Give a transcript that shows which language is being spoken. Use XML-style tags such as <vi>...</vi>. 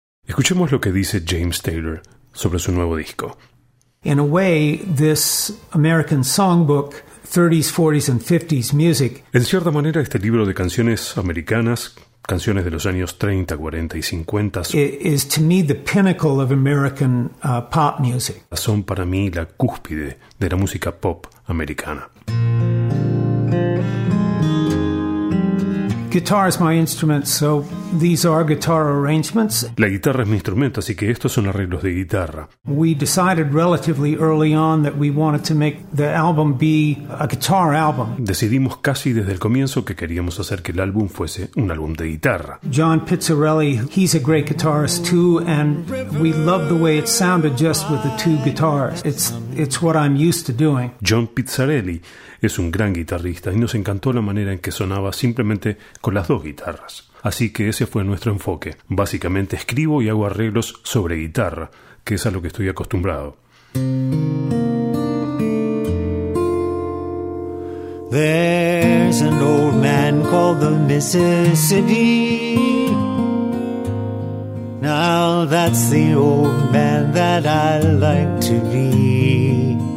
<es>Escuchemos lo que dice James Taylor sobre su nuevo disco.</es> <en>In a way, this American songbook, 30s, 40s and 50s music.</en> <es>En cierta manera, este libro de canciones americanas, canciones de los años 30, 40 y 50,</es> <en>is to me the pinnacle of American pop music.</en> <es>Son para mí la cúspide de la música pop americana.</es> <en>Guitar is my instrument, so these are guitar arrangements.</en> <es>La guitarra es mi instrumento, así que estos son arreglos de guitarra.</es> <en>We decided relatively early on that we wanted to make the album be a guitar album.</en> <es>Decidimos casi desde el comienzo que queríamos hacer que el álbum fuese un álbum de guitarra.</es> <en>John Pizzarelli, he's a great guitarist too, and we loved the way it sounded just with the two guitars. It's what I'm used to doing.</en> <es>John Pizzarelli es un gran guitarrista y nos encantó la manera en que sonaba simplemente con las dos guitarras. Así que ese fue nuestro enfoque. Básicamente escribo y hago arreglos sobre guitarra, que es a lo que estoy acostumbrado.</es> <en>There's an old man called the Mississippi. Now that's the old man that I like to be.</en>